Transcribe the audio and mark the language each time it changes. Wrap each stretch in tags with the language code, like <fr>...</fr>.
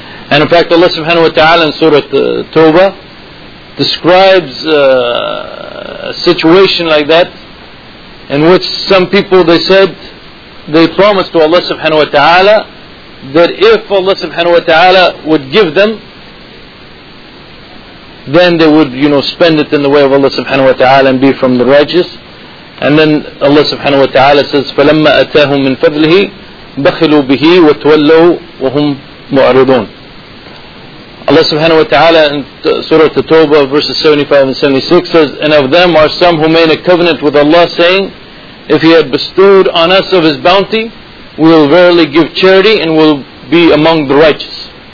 <en>And in fact, Allah subhanahu wa ta'ala in Surah Tawbah describes a situation like that in which some people, they said, they promised to Allah subhanahu wa ta'ala that if Allah subhanahu wa ta'ala would give them, then they would, you know, spend it in the way of Allah subhanahu wa ta'ala and be from the righteous. And then Allah subhanahu wa ta'ala says,</en> <ar>فَلَمَّا أَتَاهُمْ مِنْ فَضْلِهِ بَخِلُوا بِهِ وَتُوَلَّوا وَهُمْ مُعْرِضُونَ.</ar> <en>Allah subhanahu wa ta'ala in Surah At-Tawbah verses 75 and 76 says, and of them are some who made a covenant with Allah saying, if He had bestowed on us of His bounty, we will verily give charity and will be among the righteous.</en>